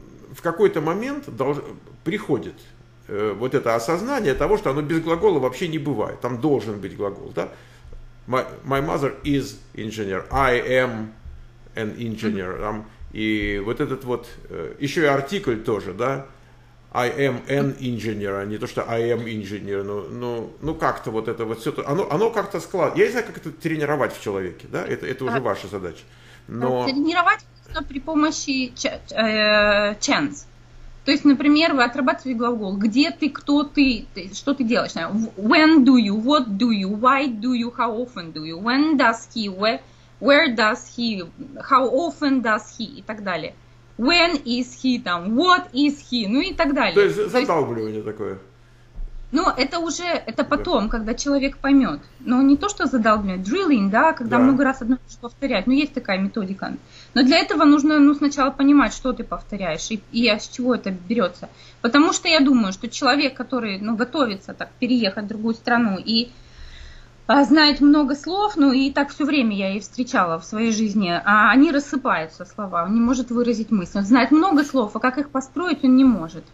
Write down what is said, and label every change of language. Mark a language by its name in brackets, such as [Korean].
[Russian] в какой-то момент приходит вот это осознание того, что оно без глагола вообще не бывает, там должен быть глагол, да, [English] my mother is engineer, I am an engineer, [Russian] там, и вот этот вот, еще и артикль тоже, да, [English] I am an engineer, [Russian] а не то, что [English] I am engineer. [Russian] Ну, как-то вот это вот все, оно как-то складывается. Я не знаю, как это тренировать в человеке, да? Это уже ваша задача. Но... Тренировать при помощи chance. То есть, например, вы отрабатываете глагол. Где ты, кто ты, что ты делаешь? [English] When do you, what do you, why do you, how often do you, when does he, where does he, how often does he [Russian] и так далее. [English] When is he там, what is he, [Russian] ну и так далее. То есть задалбливание такое. Ну, это потом, да. Когда человек поймет. Но не то, что задалбливание, drilling, да, когда да. Много раз одно и то же повторять. Ну, есть такая методика. Но для этого нужно, ну, сначала понимать, что ты повторяешь и с чего это берется. Потому что я думаю, что человек, который, ну, готовится так переехать в другую страну и знает много слов, ну и так все время я их встречала в своей жизни, а они рассыпаются, слова, он не может выразить мысль. Он знает много слов, а как их построить, он не может.